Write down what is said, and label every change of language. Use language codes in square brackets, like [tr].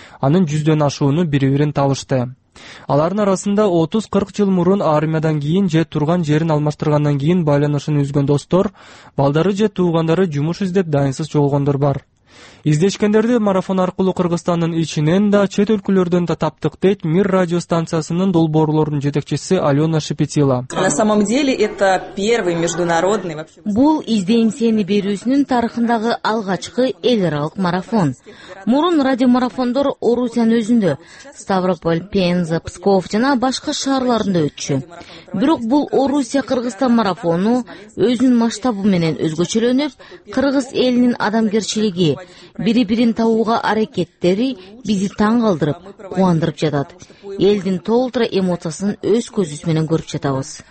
[ky] Анын 100 ашууну бири бирин табышты. Алардын арасында 30-40 жыл мурун армиядан кийин же турган жерин алмаштыргандан кийин байланышын үзгөн достор, балдары же туугандары жумуш издеп дайынсыз жолгондор бар. Издешкендерди марафон аркылуу Кыргызстандын ичинен да чет өлкөлөрдөн да таптык, дейт Мир радио станциясынын долбоорлорунун жетекчиси Алена Шипетила. [ru] На самом деле это первый международный вообще. [ky] Бул Издейм сени берүүсүнүн тарыхындагы алгачкы эл аралык марафон. Мурун радиомарафондор Орусиянын өзүндө, Ставрополь, Пенза, Псков жана башка шаарларында өтчү. Бирок бул Орусия Кыргызстан марафону өзүнүн масштабы менен өзгөчөлөнүп, кыргыз элинин адамгерчилиги, бири бирин табууга аракеттери бизди таң калтырып, куандырып жатат. Элдин толтура эмоциясын өз көзүбүз менен көрүп жатабыз.